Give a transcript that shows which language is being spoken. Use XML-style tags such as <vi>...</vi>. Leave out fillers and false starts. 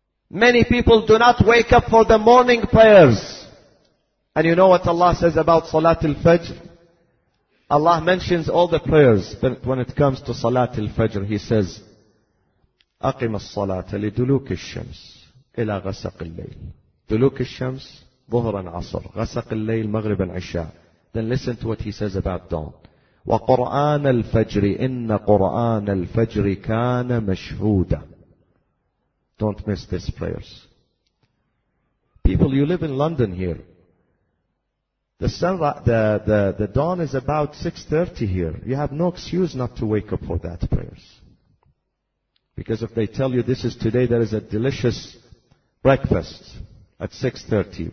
<en>Many people do not wake up for the morning prayers. And you know what Allah says about Salat al-Fajr? Allah mentions all the prayers, but when it comes to Salat al-Fajr, He says,</en> <ar>أقم الصلاة لدلوك الشمس إلى غسق الليل. دلوك الشمس ظهرا عصر غسق الليل مغربا عشاء.</ar> <en>Then listen to what He says about dawn.</en> <ar>وقرآن الفجر إن قرآن الفجر كان مشهودا.</ar> <en>Don't miss these prayers. People, you live in London here. The dawn is about 6:30 here. You have no excuse not to wake up for that prayers. Because if they tell you this is today, there is a delicious breakfast at 6:30.</en>